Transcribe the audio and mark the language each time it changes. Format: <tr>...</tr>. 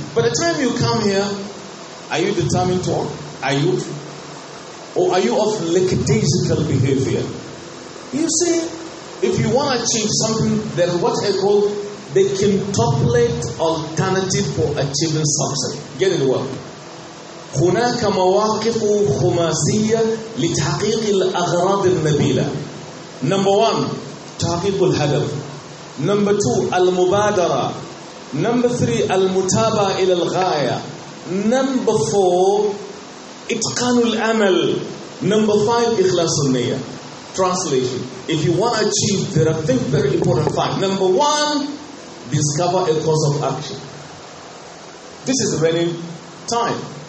<en>By the time you come here, are you determined to work? Are you? Or are you of lackadaisical behavior? You see, if you want to achieve something, there's what I call the quintuplet alternative for achieving success. Get it well.</en> <ar>هناك مواقف خماسية لتحقيق الأغراض النبيلة.</ar> <en>Number one,</en> <ar>تحقيق الهدف.</ar> <en>Number two, المبادرة. Number three,</en> <ar>المتابعة إلى الغاية.</ar> <en>Number four,</en> <ar>إتقان الأمل.</ar> <en>Number five,</en> <ar>إخلاص النية.</ar> <en>Translation. If you want to achieve, there are three very important facts. Number one, discover a course of action. This is running time.</en>